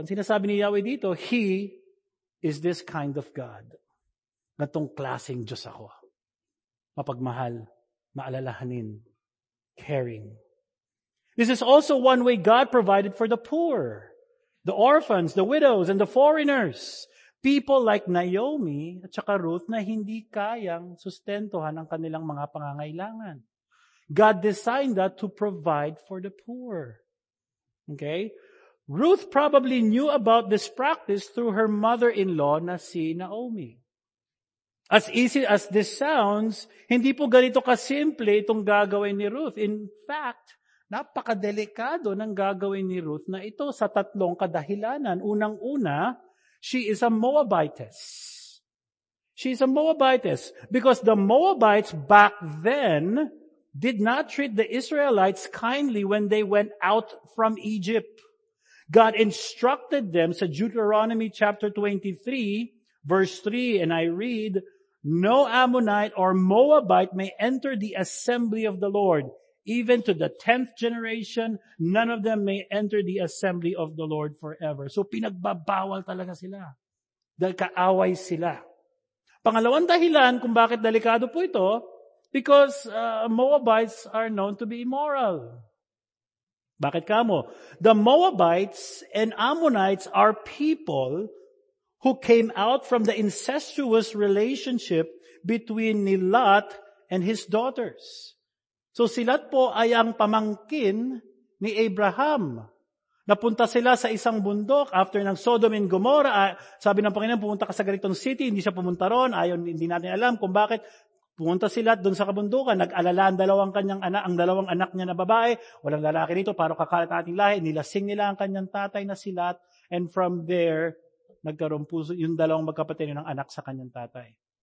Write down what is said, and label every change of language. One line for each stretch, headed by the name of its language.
Filipino: Ang sinasabi ni Yahweh dito,
English: he is this kind of God.
Filipino: Gatong klaseng Diyos ako. Mapagmahal, maalalahanin, caring.
English: This is also one way God provided for the poor, the orphans, the widows, and the foreigners. People like
Filipino: Naomi at saka Ruth na hindi kayang sustentuhan ang kanilang mga pangangailangan.
English: God designed that to provide for the poor. Okay? Ruth probably knew about this practice through her mother-in-law
Filipino: na si Naomi.
English: As easy as this sounds,
Filipino: hindi po ganito kasimple itong gagawin ni Ruth. In fact, napakadelikado ng gagawin ni Ruth na ito sa tatlong kadahilanan. Unang-una,
English: she is a Moabitess. She is a Moabitess because the Moabites back then did not treat the Israelites kindly when they went out from Egypt. God instructed them, sa Deuteronomy chapter 23, verse 3, and I read, no Ammonite or Moabite may enter the assembly of the Lord. Even to the 10th generation, none of them may enter the assembly of the Lord forever.
Filipino: So pinagbabawal talaga sila. Dahil kaaway sila. Pangalawang dahilan kung bakit delikado po ito,
English: because Moabites are known to be immoral.
Filipino: Bakit kamo?
English: The Moabites and Ammonites are people who came out from the incestuous relationship between ni Lot and his daughters.
Filipino: So si Lot po ay ang pamangkin ni Abraham. Napunta sila sa isang bundok after ng Sodom and Gomorrah. Sabi ng Panginoon, pumunta ka sa ganitong city, hindi siya pumunta ron. Ayon, hindi natin alam kung bakit. Pumunta si Lot doon sa kabundukan, nag-alala ang dalawang anak niya na babae, walang lalaki dito, parang kakalat ating lahi, nilasing nila ang kanyang tatay na si Lot,
English: and from there,
Filipino: nagkaroon po yung dalawang magkapatid ng anak sa kanyang tatay.